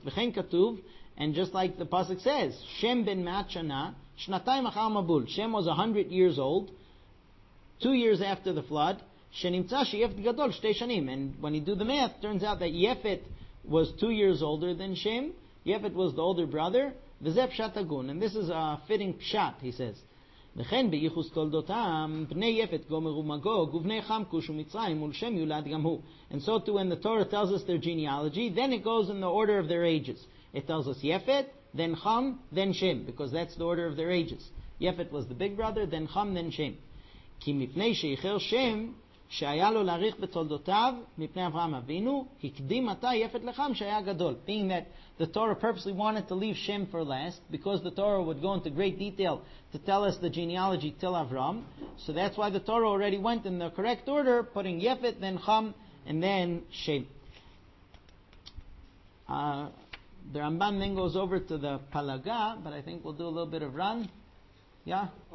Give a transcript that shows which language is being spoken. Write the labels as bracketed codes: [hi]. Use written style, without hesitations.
[he] V'chein Katuv, [en] and just like the Pasuk says, [he] Shem ben Matshana, Shnatayim Achar Mabul. [en] Shem was 100 years old, 2 years after the flood. [he] Shenimtza Sheyefet Gadol, Shtei Shanim. [en] And when you do the math, turns out that Yefet was 2 years older than Shem. Yefet was the older brother. [he] V'zeh Pshat Agun. [en] And this is a fitting Pshat, he says. [he] וכן בייחוס תולדותם, בני יפת גומר ומגוג, ובני חם כוש ומצרים, ולשם יולד גם הוא. [en] And so too, when the Torah tells us their genealogy, then it goes in the order of their ages. It tells us Yefet, then Cham, then Shem, because that's the order of their ages. Yefet was the big brother, then Cham, then Shem. [he] כי מפני שאיחר שם, שהיה לו להריך בתולדותיו, מפני אברהם אבינו, הקדים אתה יפת לחם שהיה גדול. [en] Being that the Torah purposely wanted to leave Shem for last, because the Torah would go into great detail to tell us the genealogy till Avram. So that's why the Torah already went in the correct order, putting Yefet, then Cham, and then Shem. The Ramban then goes over to the Palaga, but I think we'll do a little bit of run. Yeah?